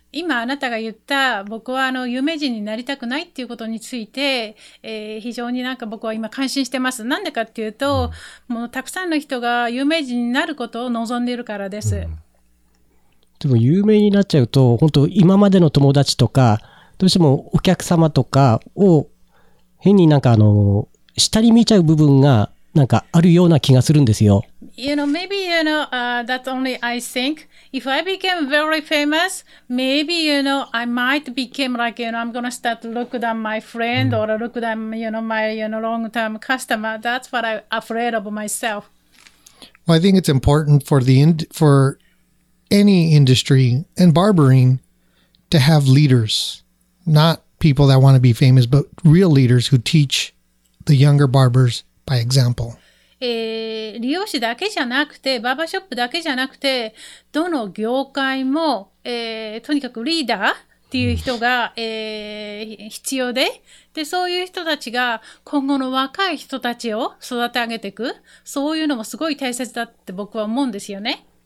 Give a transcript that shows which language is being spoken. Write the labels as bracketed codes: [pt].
[ja] 今あなたが言った僕は有名人になりたくないっていうことについて、非常になんか僕は今感心してます。なんでかっていうと、もうたくさんの人が有名人になることを望んでいるからです。でも有名になっちゃうと本当今までの友達とかどうしてもお客様とかを変になんか下に見ちゃう部分がなんかあるような気がするんですよ。 [en] You know, maybe you know, that's only I think. If I became very famous, maybe you know, I might become like, you know, I'm gonna start look down my friend or look down, you know, my you know, long-term customer. That's what I'm afraid of myself. Well, I think it's important for any industry and barbering to have leaders, not people that want to be famous, but real leaders who teach the younger barbers by example. [ja] 利用者だけじゃなくて、バーバーショップだけじゃなくて、どの業界も、とにかくリーダーっていう人が、必要で、で、そういう人たちが今後の若い人たちを育て上げていく、そういうのもすごい大切だって僕は思うんですよね。